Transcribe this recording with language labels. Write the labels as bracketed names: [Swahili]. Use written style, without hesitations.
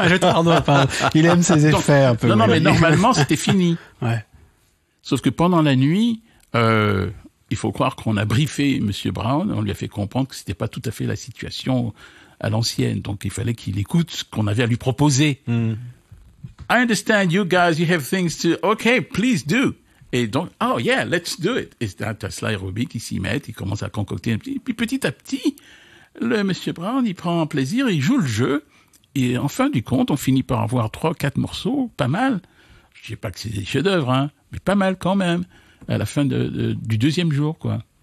[French] Je t'en pas. Il aime ses effets, donc, un peu. Non, mais normalement, c'était fini. Ouais. Sauf que pendant la nuit, il faut croire qu'on a briefé Monsieur Brown, on lui a fait comprendre que c'était pas tout à fait la situation à l'ancienne. Donc il fallait qu'il écoute ce qu'on avait à lui proposer. [English] Mm. I understand you guys, you have things to, okay, please do. [French] Et donc, oh yeah, let's do it. Et c'est un Sly Robbie qui s'y met, il commence à concocter un petit. Puis petit à petit, le monsieur Brown, il prend plaisir, il joue le jeu. Et en fin du compte, on finit par avoir 3-4 morceaux, pas mal. Je ne dis pas que c'est des chefs-d'œuvre, hein, mais pas mal quand même, à la fin du deuxième jour, quoi.